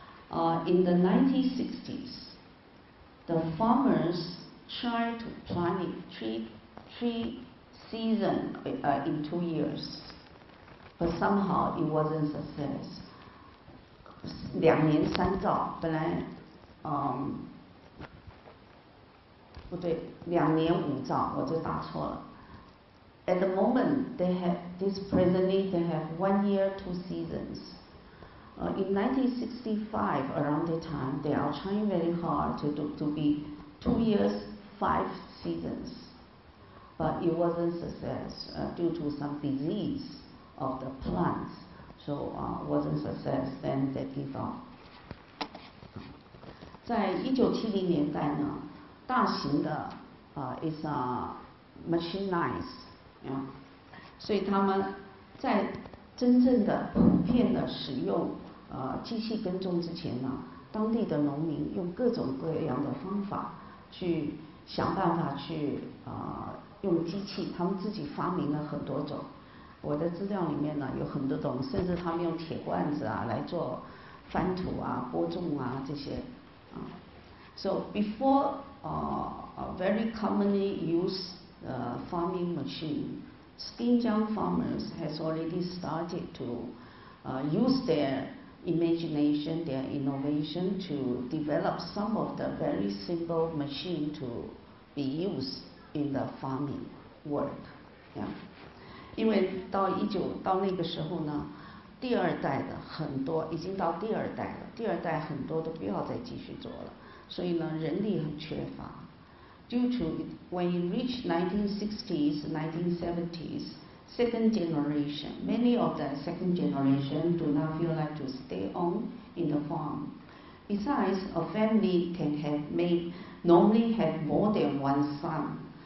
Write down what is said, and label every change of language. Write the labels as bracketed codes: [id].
[en] In the 1960s, the farmers tried to plant it three season in 2 years, but somehow it wasn't success. [zh] 两年三照，本来，不对，两年五照，我就打错了。 [en] At the moment, they have this presently they have 1 year two seasons. In 1965, around that time, they are trying very hard to be 2 years, five seasons. But it wasn't success due to some disease of the plants. So wasn't success, then they give up. [zh] 在1970年代呢，大型的 [en] is machinized, yeah. [zh] 所以他们在真正的普遍的使用机器耕种之前呢，当地的农民用各种各样的方法去想办法去用机器，他们自己发明了很多种。我的资料里面呢有很多种，甚至他们用铁罐子啊来做翻土啊、播种啊这些啊。 [en] So before very commonly used farming machine, Xinjiang farmers has already started to use their imagination, their innovation to develop some of the very simple machine to be used in the farming work. Yeah. [zh] 因为到那个时候呢，第二代的很多已经到第二代了，第二代很多都不要再继续做了，所以呢人力很缺乏。 [en] Due to when you reach 1960s, 1970s,second generation, many of the second generation do not feel like to stay on in the farm. Besides, a family can normally have more than one son.